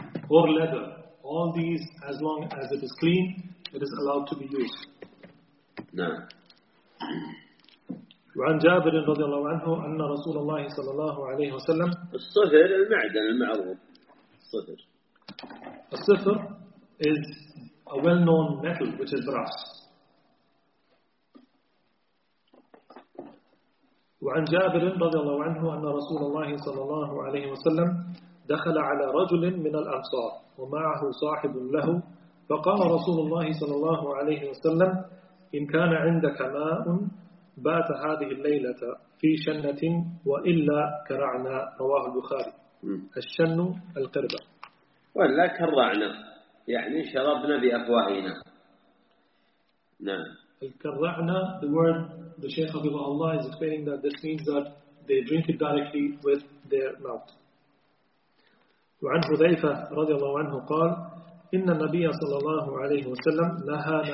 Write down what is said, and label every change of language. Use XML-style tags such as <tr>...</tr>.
<en>Or leather. All these, as long as it is clean, it is allowed to be used.</en> <ar>وعن جابر رضي الله عنه أن رسول الله صلى الله عليه وسلم الصفر المعدن المعروف الصفر</ar> <en>الصفر is a well-known metal, which is brass.</en> <ar>وعن جابر رضي الله عنه أن رسول الله صلى الله عليه وسلم دخل على رجل من الأنصار ومعه صاحب له، فقال رسول الله صلى الله عليه وسلم إن كان عندك ماء بات هذه الليلة في شنة وإلا كرعنا. رواه البخاري. الشن القربة. ولا كرعنا يعني شربنا بأفواهنا. نعم.</ar> <en>الكرعنا, the word the Shaykh of Allah is explaining that this means that they drink it directly with their mouth.</en> <ar>وعن حذيفة رضي الله عنه قال إن النبي صلى الله عليه وسلم نهى</ar>